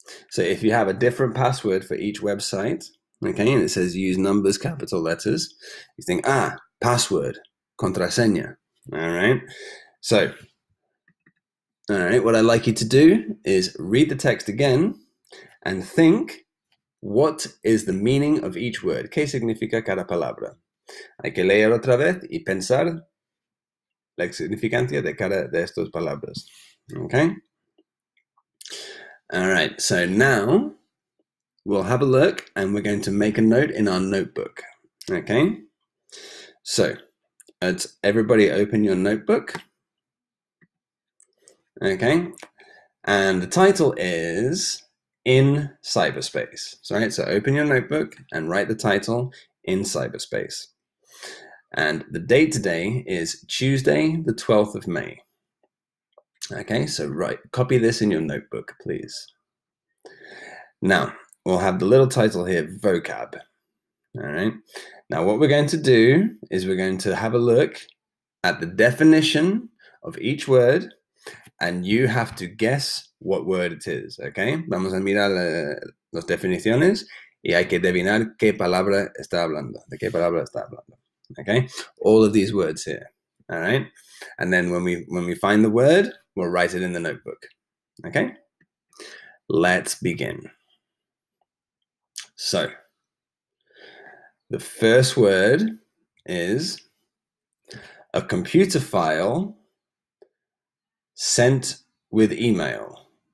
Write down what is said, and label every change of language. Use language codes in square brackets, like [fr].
[en] So, if you have a different password for each website, okay, and it says use numbers, capital letters, you think, ah, password, contraseña, all right? So, All right, what I'd like you to do is read the text again and think, what is the meaning of each word? [es] ¿Qué significa cada palabra? Hay que leer otra vez y pensar la significancia de cada de estas palabras. [en] Okay? All right, so now we'll have a look and we're going to make a note in our notebook. Okay? So, everybody open your notebook. Okay, and the title is In Cyberspace. So, right, so open your notebook and write the title In Cyberspace. And the date today is Tuesday, the 12th of May. Okay, so write, copy this in your notebook, please. Now, we'll have the little title here, Vocab. All right, now what we're going to do is we're going to have a look at the definition of each word. And you have to guess what word it is, okay? [es] Vamos a mirar las definiciones y hay que adivinar qué palabra está hablando, de qué palabra está hablando, okay? [en] All of these words here, all right? And then when we find the word, we'll write it in the notebook, okay? Let's begin. So, the first word is a computer file sent with email.